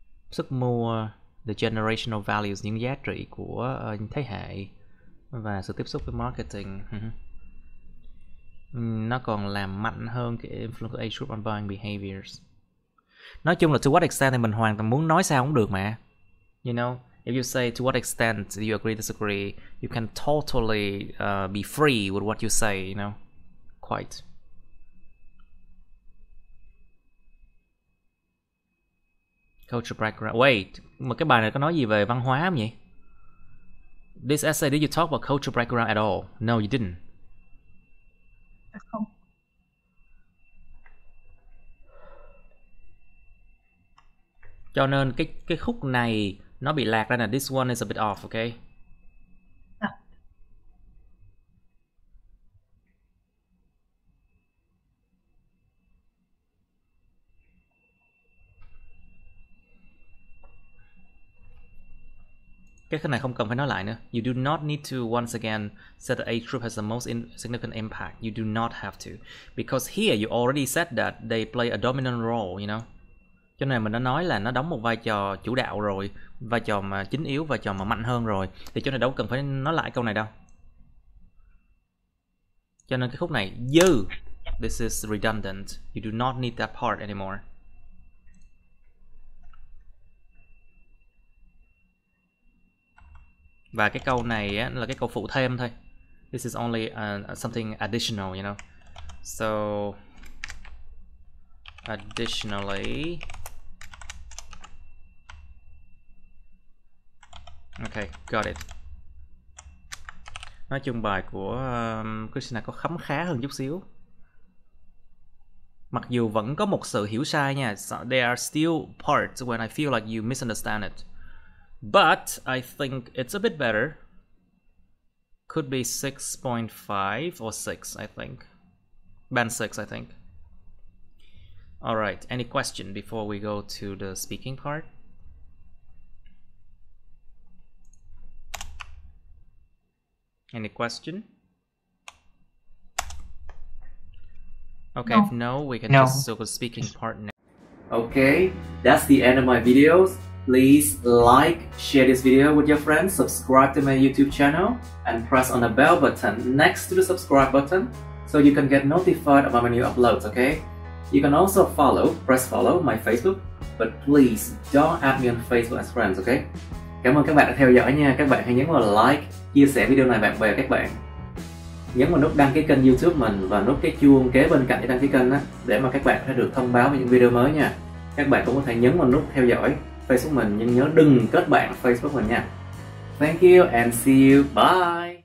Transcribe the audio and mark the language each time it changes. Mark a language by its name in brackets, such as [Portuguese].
[Vietnamese] Sức mua, [English] the generational values, [Vietnamese] những giá trị của thế hệ, và sự tiếp xúc với marketing. Nó còn làm mạnh hơn cái [English] influence age group on buying behaviors. [Vietnamese] Nói chung là [English] to what extent [Vietnamese] thì mình hoàn toàn muốn nói sao cũng được mà. [English] You know, if you say to what extent you agree, disagree, you can totally be free with what you say, you know. Quite. Culture background. [Vietnamese] Wait, mà cái bài này có nói gì về văn hóa không nhỉ? [English] This essay, did you talk about culture background at all? No, you didn't. [Vietnamese] Cho nên cái khúc này nó bị lạc ra nè. [English] This one is a bit off, okay? [Vietnamese] Cái khúc này không cần phải nói lại nữa. [English] You do not need to once again say that age group has the most significant impact. You do not have to. Because here you already said that they play a dominant role, you know? [Vietnamese] Cho nên mình đã nói là nó đóng một vai trò chủ đạo rồi, vai trò mà chính yếu, vai trò mà mạnh hơn rồi, thì chỗ này đâu cần phải nói lại câu này đâu. Cho nên cái khúc này [English] you, this is redundant, you do not need that part anymore. [Vietnamese] Và cái câu này á, là cái câu phụ thêm thôi. [English] This is only something additional, you know. So, additionally. Ok, got it. [Vietnamese] Nói chung bài của Krishna có khấm khá hơn chút xíu. Mặc dù vẫn có một sự hiểu sai nha. [English] So, there are still parts when I feel like you misunderstand it. But I think it's a bit better. Could be 6.5 or 6, I think. Band 6, I think. All right, any question before we go to the speaking part? Any question? Okay, if no, we can just go to the speaking part now. Okay, that's the end of my videos. Please like, share this video with your friends, subscribe to my YouTube channel, and press on the bell button next to the subscribe button so you can get notified about my new uploads, okay? You can also follow, press follow my Facebook, but please don't add me on Facebook as friends, okay? [Vietnamese] Cảm ơn các bạn đã theo dõi nha. Các bạn hãy nhấn vào like, chia sẻ video này bạn bè các bạn. Nhấn vào nút đăng ký kênh YouTube mình và nút cái chuông kế bên cạnh để đăng ký kênh á, để mà các bạn sẽ được thông báo về những video mới nha. Các bạn cũng có thể nhấn vào nút theo dõi Facebook mình, nhưng nhớ đừng kết bạn Facebook mình nha. [English] Thank you and see you. Bye.